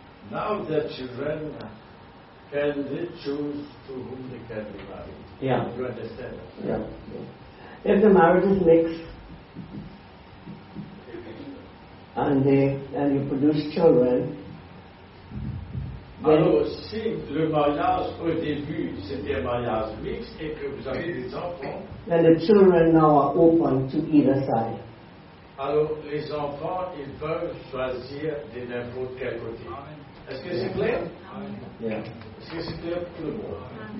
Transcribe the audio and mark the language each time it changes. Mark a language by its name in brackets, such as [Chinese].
[English] Now the children can they choose to whom they can be married? Yeah. You understand that? Yeah. If the marriage is mixed and you produce children. [French] Alors, si le mariage au début c'était un mariage mixte et que vous avez des enfants, [English] then the children now are open to either side. [French] Alors, les enfants, ils peuvent choisir de n'importe quel côté. [English] Amen. [French] Est-ce que c'est clair? [English] Amen. Yeah. [French] Est-ce que c'est clair pour tout le monde?